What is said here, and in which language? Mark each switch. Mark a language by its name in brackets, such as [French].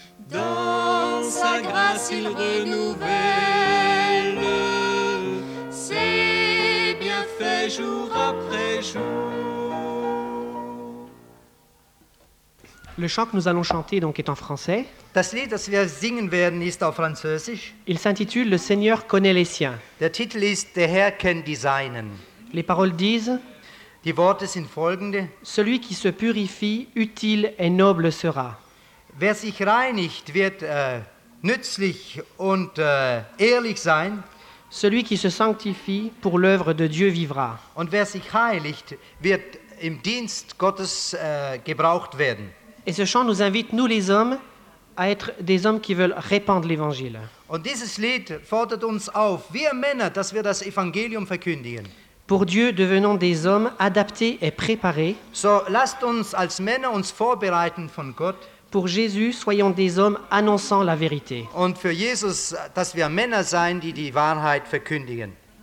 [French] Dans sa grâce il renouvelle ses bienfaits jour après jour. Le chant que nous allons chanter donc est en français. [German] Das Lied, das wir singen werden, ist auf Französisch. [French] Il s'intitule Le Seigneur connaît les siens. [German] Der Titel ist Der Herr kennt die Seinen. [French] Les paroles disent: [German] Die Worte sind folgende. [French] Celui qui se purifie, utile et noble sera. [German] Wer sich reinigt, wird nützlich und ehrlich sein. [French] Celui qui se sanctifie, pour l'œuvre de Dieu vivra. [German] Und wer sich heiligt, wird im Dienst Gottes gebraucht werden. [French] Et ce chant nous invite, nous les hommes, à être des hommes qui veulent répandre l'Évangile. [German] Und dieses Lied fordert uns auf, wir Männer, dass wir das Evangelium verkündigen. [French] Pour Dieu, devenons des hommes adaptés et préparés. [German] So lasst uns als Männer uns vorbereiten von Gott. [French] Pour Jésus, soyons des hommes annonçant la vérité. [German] Und für Jesus, dass wir Männer sein, die die Wahrheit verkündigen.